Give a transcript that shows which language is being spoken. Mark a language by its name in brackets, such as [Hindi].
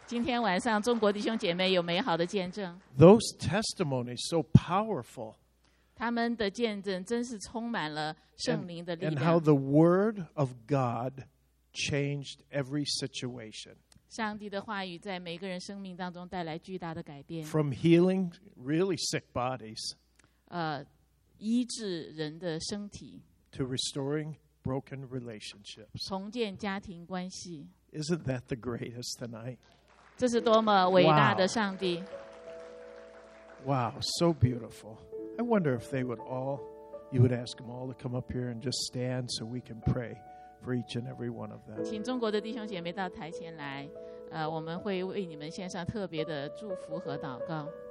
[Chinese] 今天晚上中国弟兄姐妹有美好的见证。 [English] Those testimonies so powerful. [Chinese] 他们的见证真是充满了圣灵的力量。 [English] And how the word of God changed every situation. [Chinese] 上帝的话语在每个人生命当中带来巨大的改变。 [English] From healing really sick bodies. [Chinese] 医治人的身体。 [English] To restoring broken relationships. [Chinese] 重建家庭关系。 [English] Isn't that the greatest tonight? [Chinese] 这是多么伟大的上帝。 [English] Wow, so beautiful. I wonder if they would all, you would ask them all to come up here and just stand so we can pray for each and every one of them. [Chinese] 请中国的弟兄姐妹到台前来，我们会为你们献上特别的祝福和祷告。